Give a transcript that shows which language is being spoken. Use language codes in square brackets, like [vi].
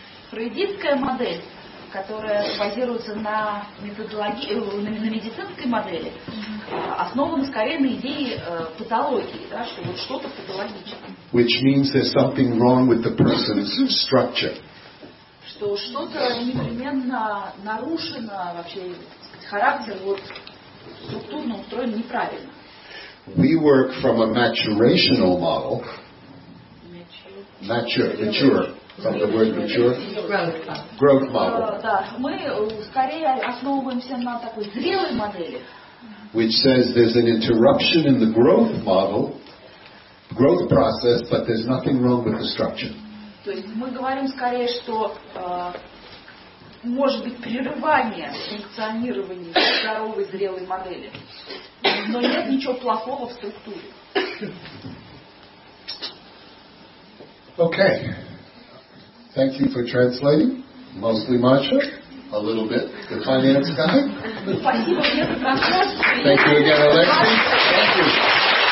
[ru] Фрейдистская модель, которая базируется на методологии, на медицинской модели, основана скорее на идее патологии, да, что вот что-то патологическое. [en] Which means there's something wrong with the person's structure. [ru] Что что-то непременно нарушено, вообще характер вот структурно устроен неправильно. [en] We work from a maturational model. Mature, from the word mature. Growth model. [ru] Да, мы скорее основываемся на такой зрелой модели. [en] Which says there's an interruption in the growth model, growth process, but there's nothing wrong with the structure. [ru] То есть мы говорим скорее, что может быть прерывание функционирования здоровой зрелой модели, но нет ничего плохого в структуре. [en] Okay. Thank you for translating. Mostly Marcia. A little bit. The finance guy. [ru] Спасибо, [en] thank you again, Alexei. Thank you.